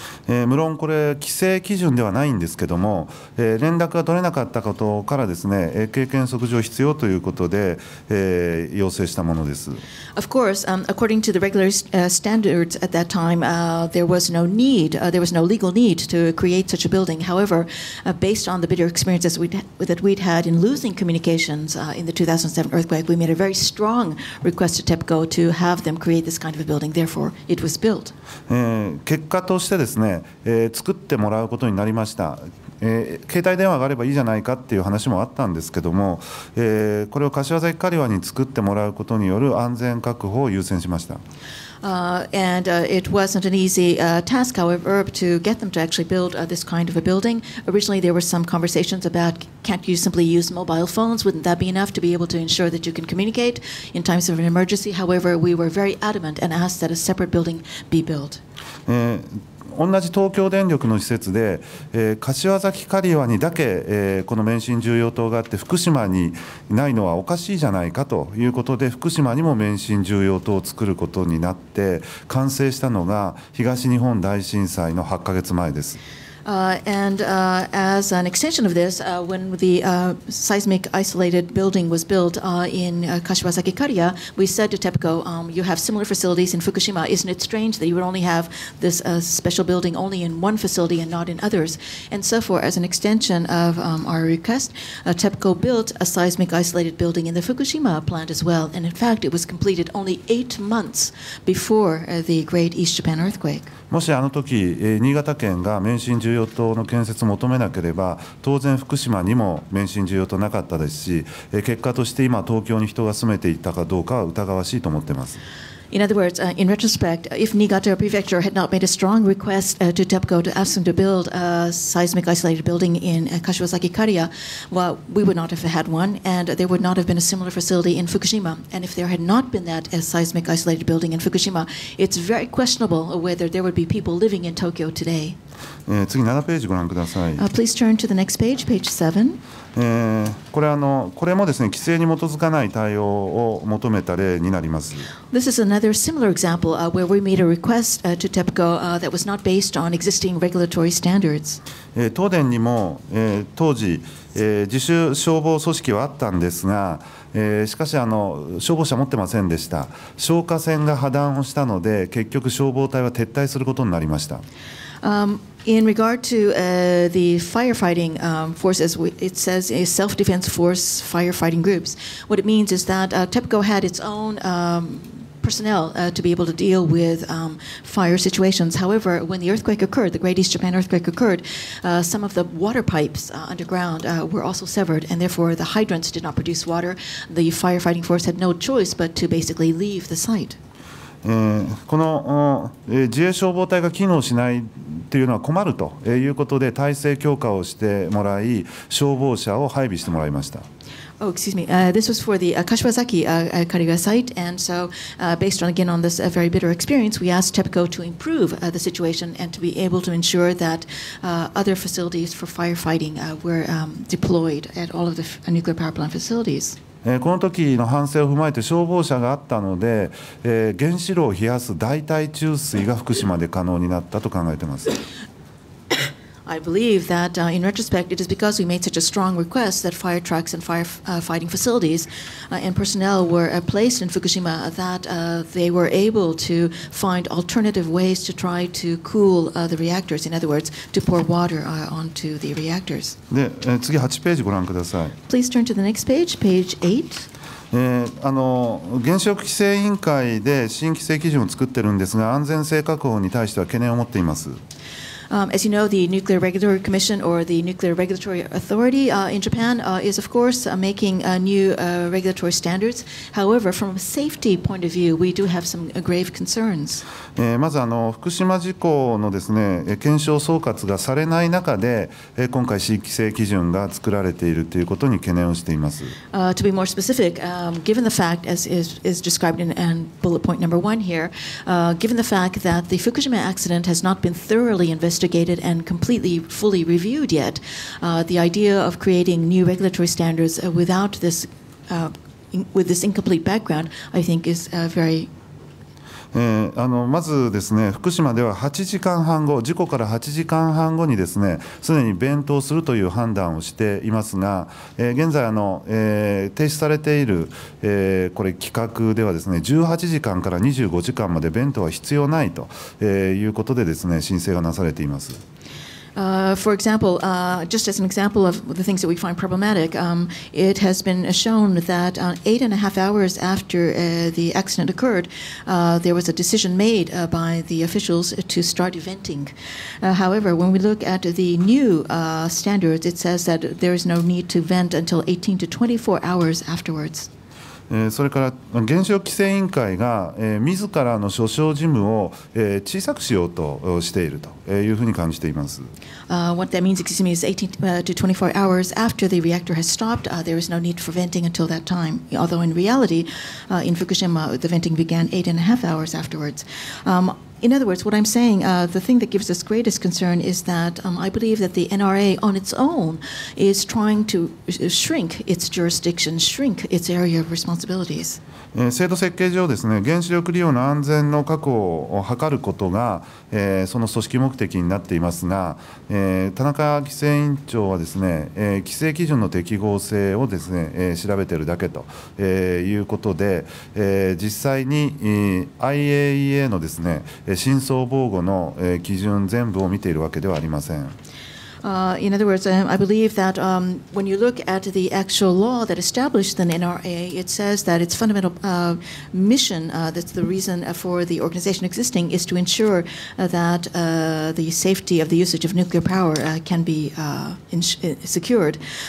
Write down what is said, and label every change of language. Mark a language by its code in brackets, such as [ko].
[ja] 無論これ規制基準ではないんですけども、連絡が取れなかったことからですね、経験則上必要ということで、要請したものです。 [en] Of course, according to the regular standards at that time, there was no need, there was no legal need to create such a building. However, based on the bitter experiences that we'd had in losing communications in the 2007 earthquake, we made a very strong request to TEPCO to have them create this kind of a building. Therefore, it was built. [ja] 結果としてですね、作ってもらうことになりました。携帯電話があればいいじゃないかっていう話もあったんですけども、これを柏崎刈羽に作ってもらうことによる安全確保を優先しました。 [en] It wasn't an easy task, however, to get them to actually build this kind of a building. Originally, there were some conversations about can't you simply use mobile phones? Wouldn't that be enough to be able to ensure that you can communicate in times of an emergency? However, we were very adamant and asked that a separate building be built. [ja] 同じ東京電力の施設で、柏崎刈羽にだけ、この免震重要棟があって福島にないのはおかしいじゃないかということで、福島にも免震重要棟を作ることになって、完成したのが東日本大震災の8ヶ月前です。 [en] As an extension of this, when the seismic isolated building was built in Kashiwazaki Kariya, we said to TEPCO, you have similar facilities in Fukushima. Isn't it strange that you would only have this special building only in one facility and not in others? And so for as an extension of our request, TEPCO built a seismic isolated building in the Fukushima plant as well. And in fact, it was completed only 8 months before the Great East Japan earthquake. [ja] もしあの時新潟県が免震重要棟の建設を求めなければ、当然福島にも免震重要棟なかったですし、結果として今東京に人が住めていたかどうかは疑わしいと思っています。 [en] In other words, in retrospect, if Niigata Prefecture had not made a strong request to TEPCO to ask them to build a seismic isolated building in Kashiwazaki Kariya, well, we would not have had one, and there would not have been a similar facility in Fukushima. And if there had not been that seismic isolated building in Fukushima, it's very questionable whether there would be people living in Tokyo today. [ja] 次7ページご覧ください。 [en] Please turn to the next page, page 7. [ja] これもですね、規制に基づかない対応を求めた例になります。 [en] This is another similar example where we made a request to TEPCO that was not based on existing regulatory standards. [ja] 東電にも、当時、自主消防組織はあったんですが、しかし消防車持ってませんでした。消火栓が破断をしたので、結局消防隊は撤退することになりました。 [en] In regard to the firefighting forces, it says a self-defense force firefighting groups. What it means is that TEPCO had its own personnel to be able to deal with fire situations. However, when the earthquake occurred, the Great East Japan earthquake occurred, some of the water pipes underground were also severed, and therefore the hydrants did not produce water. The firefighting force had no choice but to basically leave the site. [ja] この自衛消防隊が機能しないというのは困るということで、体制強化をしてもらい、消防車を配備してもらいました。 [en] Oh, excuse me. This was for the Kashiwazaki Kariya site. And so, based on again on this very bitter experience, we asked TEPCO to improve the situation and to be able to ensure that other facilities for firefighting were deployed at all of the nuclear power plant facilities. [ja] この時の反省を踏まえて、消防車があったので、原子炉を冷やす代替注水が福島で可能になったと考えています。 [en] I believe that in retrospect, it is because we made such a strong request that fire trucks and firefighting facilities and personnel were placed in Fukushima that they were able to find alternative ways to try to cool the reactors. In other words, to pour water onto the reactors. [ja] で、次8ページご覧ください。 [en] Please turn to the next page, page 8. [ja] 原子力規制委員会で新規制基準を作ってるんですが、安全性確保に対しては懸念を持っています。 [en] As you know, the Nuclear Regulatory Commission or the Nuclear Regulatory Authority in Japan is, of course, making new regulatory standards. However, from a safety point of view, we do have some grave concerns. [ja] まず福島事故のですね、検証総括がされない中で、今回新規制基準が作られているということに懸念をしています。 [en] To be more specific, given the fact, as is described in bullet point number one here, given the fact that the Fukushima accident has not been thoroughly investigated and completely fully reviewed yet, the idea of creating new regulatory standards without this, with this incomplete background, I think is very... [ja] まずですね、福島では8時間半後、事故から8時間半後にですね、すでに弁当するという判断をしていますが、現在停止されている、これ規格ではですね、18時間から25時間まで弁当は必要ないということでですね、申請がなされています。 [en] For example, just as an example of the things that we find problematic, it has been shown that 8.5 hours after the accident occurred, there was a decision made by the officials to start venting. However, when we look at the new standards, it says that there is no need to vent until 18 to 24 hours afterwards. [ja] それから原子力規制委員会が自らの所掌事務を小さくしようとしているというふうに感じています。 [en] What that means, excuse me, is 18 to 24 hours after the reactor has stopped, there is no need for venting until that time. Although in reality, in Fukushima, the venting began 8.5 hours afterwards. In other words, what I'm saying, the thing that gives us greatest concern is that I believe that the NRA on its own is trying to shrink its jurisdiction, shrink its area of responsibilities. [ja] 制度設計上ですね、原子力利用の安全の確保を図ることが、その組織目的になっていますが、田中規制委員長はですね、規制基準の適合性をですね、調べているだけと、いうことで、実際に、IAEA のですね、深層防護の、基準全部を見ているわけではありません。 [en] In other words, I believe that when you look at the actual law that established the NRA, it says that its fundamental mission, that's the reason for the organization existing, is to ensure that the safety of the usage of nuclear power can be secured.